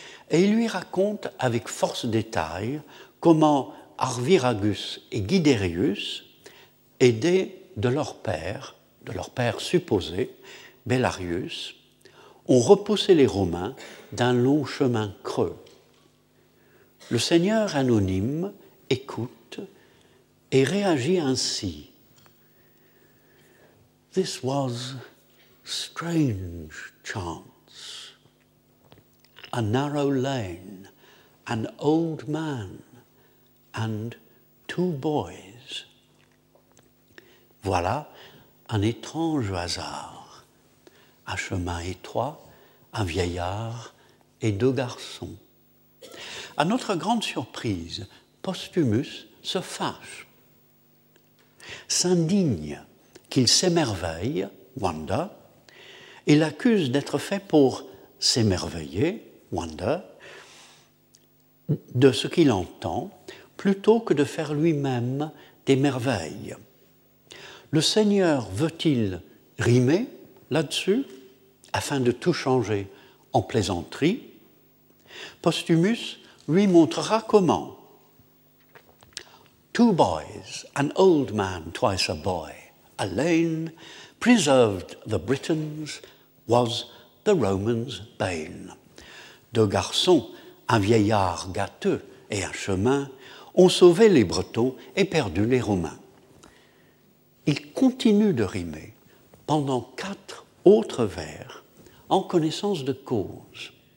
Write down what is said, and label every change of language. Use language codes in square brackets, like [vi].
[fr] et il lui raconte avec force détail comment Arviragus et Guiderius, aidés de leur père supposé, Bellarius, ont repoussé les Romains d'un long chemin creux. Le seigneur anonyme écoute et réagit ainsi. [en] This was strange chance. A narrow lane, an old man, and two boys. [fr] Voilà un étrange hasard. Un chemin étroit, un vieillard et deux garçons. À notre grande surprise, Postumus se fâche, s'indigne qu'il s'émerveille, Wanda, et l'accuse d'être fait pour s'émerveiller, Wanda, de ce qu'il entend, plutôt que de faire lui-même des merveilles. Le Seigneur veut-il rimer là-dessus, afin de tout changer en plaisanterie ? Postumus lui montrera comment. [en] Two boys, an old man, twice a boy, a lane, preserved the Britons, was the Romans' bane. [fr] Deux garçons, un vieillard gâteux et un chemin, ont sauvé les Bretons et perdu les Romains. Il continue de rimer pendant quatre autres vers en connaissance de cause.